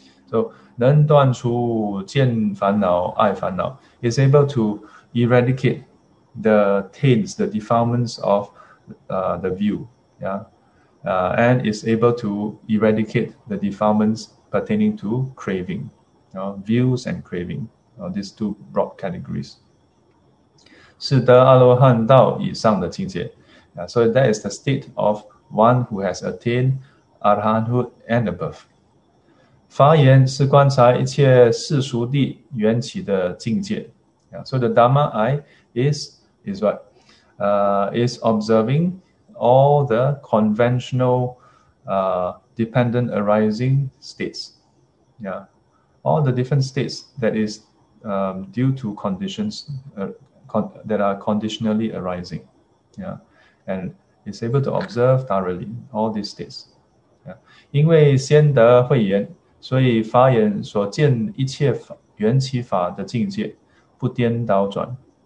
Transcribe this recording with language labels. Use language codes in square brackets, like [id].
[en] So [zh] 能断除见烦恼爱烦恼， [en] is able to eradicate the taints, the defilements of the view. And is able to eradicate the defilements pertaining to craving, views and craving, these two broad categories. [zh] 是得阿罗汉道以上的境界。 [en] So that is the state of one who has attained Arahanthood and above. [zh] 法眼是观察一切世俗谛缘起的境界。 [en] So the Dharma eye is what? Is observing all the conventional dependent arising states. All the different states that is due to conditions that are conditionally arising. And it's able to observe thoroughly all these states. [zh] 因为先得慧眼，所以法眼所见一切法缘起法的境界不颠倒转。